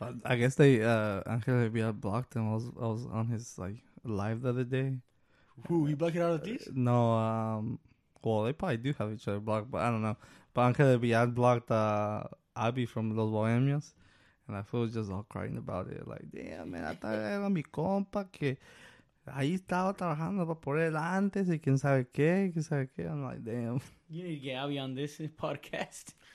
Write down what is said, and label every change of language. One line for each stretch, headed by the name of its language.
English: I guess they Angel del Villar blocked him. I was on his like live the other day. Who? He blocked it out of these? No. Well, they probably do have each other blocked, but I don't know. But Angel del Villar blocked Abby from Los Bohemios. And I feel just all crying about it. Like, damn, man. I thought
Spanish: era mi compa que... Ahí estaba trabajando para por él antes y quién sabe qué.
English: I'm like, damn. You need to get Abby on this podcast.